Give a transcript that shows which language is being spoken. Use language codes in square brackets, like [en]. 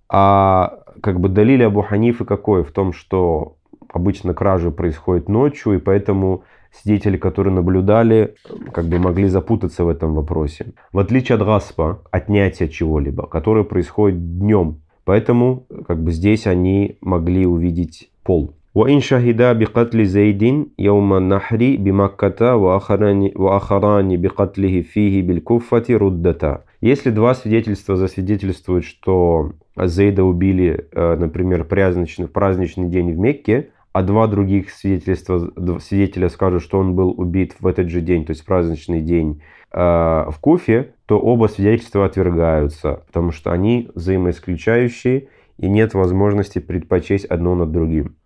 [ru] А как бы далили Абу Ханифы какой? В том, что обычно кражи происходят ночью, и поэтому свидетели, которые наблюдали, как бы могли запутаться в этом вопросе. В отличие от гаспа, отнятия чего-либо, которое происходит днем, Поэтому как бы здесь они могли увидеть пол. [ar] وإن شهد بقتل زيد يوم النحر بمكة وآخران بقتله فيه بالكوفة ردتا. [ru] Если два свидетельства засвидетельствуют, что Зейда убили, например, праздничный день в Мекке, а два других свидетеля скажут, что он был убит в этот же день, то есть праздничный день в Куфе, то оба свидетельства отвергаются, потому что они взаимоисключающие и нет возможности предпочесть одно над другим.